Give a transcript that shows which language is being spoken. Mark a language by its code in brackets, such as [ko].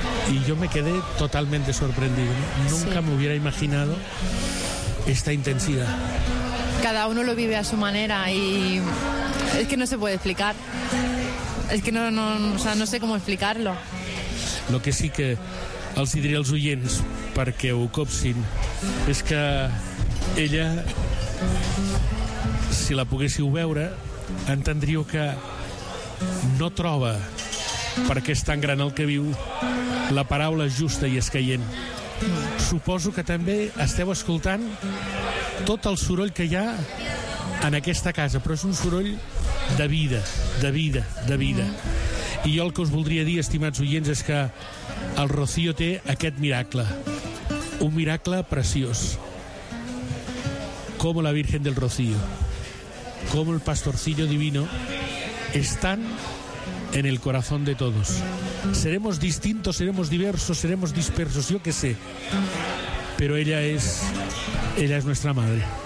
[es] Y yo me quedé totalmente sorprendido, ¿no? Nunca me hubiera imaginado esta intensidad. Cada uno lo vive a su manera y es que no se puede explicar. Es que no sé cómo explicarlo. [ca] Lo que sí que els diré als oients perquè ho copsin és que ella, si la poguéssiu veure, entendríeu que no troba, perquè és tan gran el que viu, la paraula justa i escaient. Suposo que també esteu escoltant tot el soroll que hi ha en aquesta casa, però és un soroll de vida, de vida, de vida. I jo el que us voldria dir, estimats oients, és que el Rocío té aquest miracle, un miracle preciós. [es] Como la Virgen del Rocío, como el pastorcillo divino, están en el corazón de todos. Seremos distintos, seremos diversos, seremos dispersos, yo qué sé, pero ella es nuestra madre.